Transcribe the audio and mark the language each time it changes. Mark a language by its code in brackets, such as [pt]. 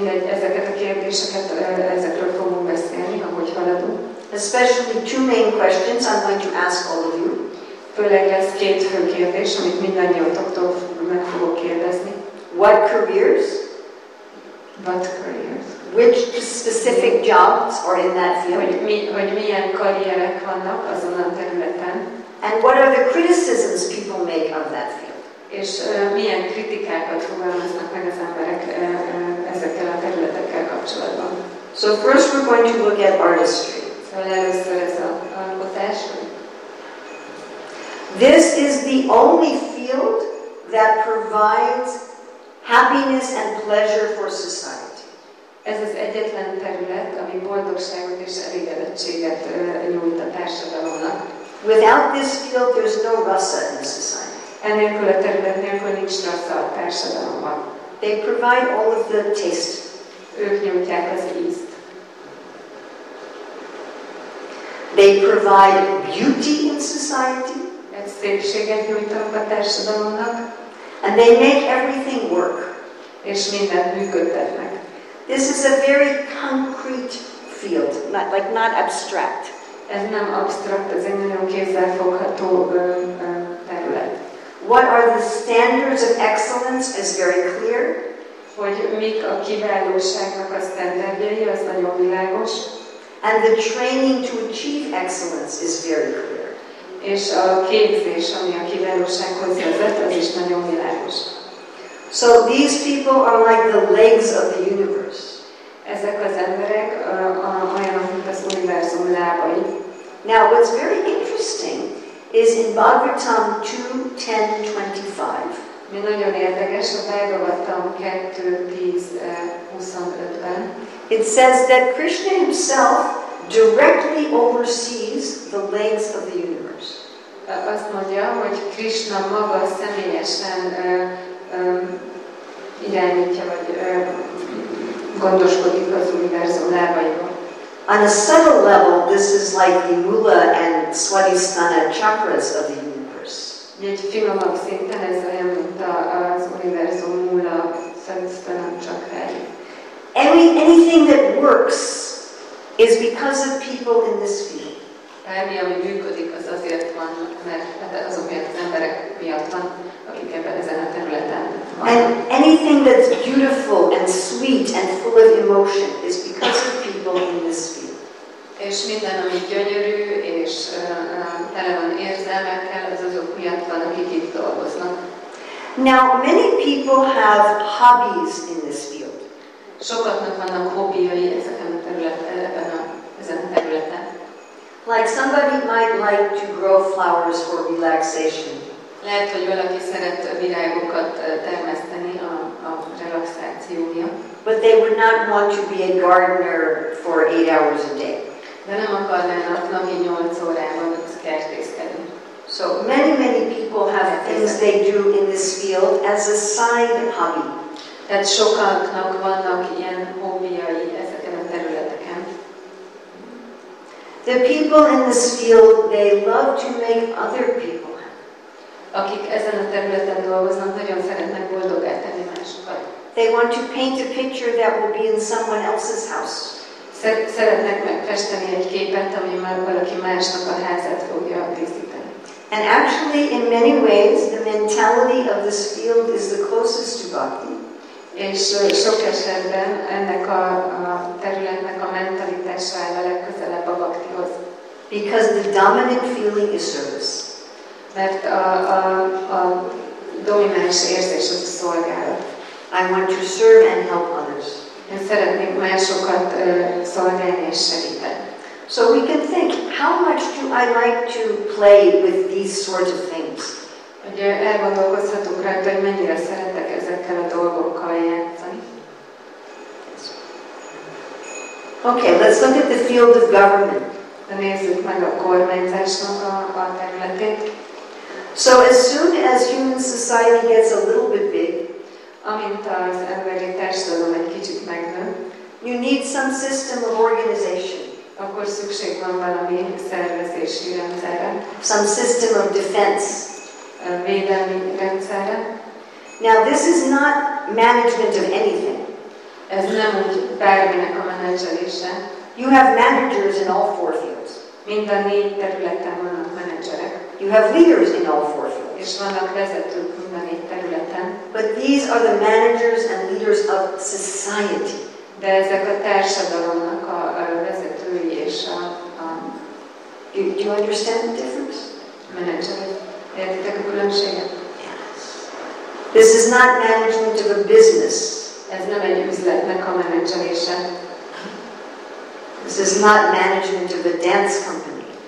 [hu] Ezeket a kérdéseket, ezekről fogunk beszélni, ahogy haladunk. [en] Especially two main questions I'm going to ask all of you. [hu] Főleg lesz két fő kérdés, amit mindannyiótoktól meg fogok kérdezni. [en] What careers? What careers? Which specific jobs are in that field? [hu] Hogy milyen karrierek vannak azon a területen? [en] And what are the criticisms people make of that field? [hu] És milyen kritikákat fogalmaznak meg az emberek ezekkel a területekkel kapcsolatban? [en] So first we're going to look at artistry. [hu] Szóval először ez az alkotás. [en] This is the only field that provides happiness and pleasure for society. [hu] Ez az egyetlen terület, ami boldogságot és elégedettséget nyújt a társadalomnak. [en] Without this field, there's no rasa in society. [hu] Enélkül a terület nélkül nincs rasa a társadalomban. [en] They provide all of the taste. [hu] Ők nyújtják az ízt. [en] They provide beauty in society. [hu] Ez szépséget nyújtanak a társadalomnak. [en] And they make everything work. [hu] És mindent működtetnek. [en] This is a very concrete field, not abstract. [hu] Ez nem abstrakt, ez egy nagyon kézzelfogható terület. [en] What are the standards of excellence is very clear. [hu] Hogy mik a kiválóságnak a standardjai, az nagyon világos. [en] And the training to achieve excellence is very clear. [hu] És a képzés, ami a kiválósághoz vezet, az is nagyon világos. [en] So these people are like the legs of the universe. [hu] Ezek az emberek olyanok, mint az univerzum lábai. [en] Now what's very interesting is in Bhagavatam 2.10.25. [hu] Mi nagyon érdekes, a Bhagavatam 2.10.25-ben. [en] It says that Krishna himself directly oversees the legs of the universe. [hu] Azt mondja, hogy Krishna maga személyesen irányítja, vagy gondoskodik az univerzum lábaival. [en] On a subtle level, this is like the mula and swadhisthana chakras of the universe. [hu] Egy finomabb szinten ez olyan, mint az univerzum mula, swadhisthana chakrája. [en] Anything that works is because of people in this field. [hu] bármi, ami működik, az azért van, mert azok miatt az emberek miatt van, akik ebben ezen a területen van. [en] And anything that's beautiful and sweet and full of emotion is because of people in this field. [hu] És minden, ami gyönyörű és tele van érzelmekkel, az azok miatt van, akik itt dolgoznak. [en] Now, many people have hobbies in this field. [hu] Sokaknak vannak hobbiai ezen a területen. [en] Like somebody might like to grow flowers for relaxation. [hu] Lehet, hogy valaki szeret virágokat termeszteni a relaxációja. [en] But they would not want to be a gardener for 8 hours a day. [hu] De nem akarnának napi 8 órában kertészkedni. [en] So many people have things they do in this field as a side hobby. [hu] Tehát sokaknak vannak ilyen hobbiai ezeken a területeken. [en] The people in this field, they love to make other people happy. [hu] Akik ezen a területen dolgoznak, nagyon szeretnek boldoggá tenni másokat. [en] They want to paint a picture that will be in someone else's house. [hu] Szeretnek megfesteni egy képet, ami már valaki másnak a házát fogja díszíteni. [en] And actually, in many ways, the mentality of this field is the closest to bhakti. [hu] És sok esetben ennek a területnek a mentalitásával a legközelebb a bhaktihoz. [en] Because the dominant feeling is service. [hu] Mert a domináns érzés az a szolgálat. [en] I want to serve and help others. [hu] Én szeretnék másokat szolgálni és segíteni. [en] So we can think, how much do I like to play with these sorts of things? [hu] Ugye elgondolkozhatunk rá, hogy mennyire szeretek ezekkel a dolgokkal játszani. [en] Okay, let's look at the field of government. [hu] De nézzük meg a kormányzásnak a területét. [en] So as soon as human society gets a little bit big, [hu] amint az emberi társadalom egy kicsit megnő, [en] you need some system of organization. [hu] Akkor szükség van valami szervezési rendszerre. [en] Some system of defense. [hu] A védelmi rendszerre. [en] Now this is not management of anything. [hu] Ez nem bárminek a menedzselése. [en] You have managers in all four fields. [hu] Mind a négy területen vannak menedzserek. [en] You have leaders in all four fields. [hu] És vannak vezetők mind a négy területen. [en] But these are the managers and leaders of society. [hu] De ezek a társadalomnak a vezetői és a... [en] Do you understand the difference? [hu] Menedzserek. Értitek a különbséget? [en] This is not management of a business. [hu] Ez nem egy üzletnek a menedzselése. [en] This is not management of a dance company.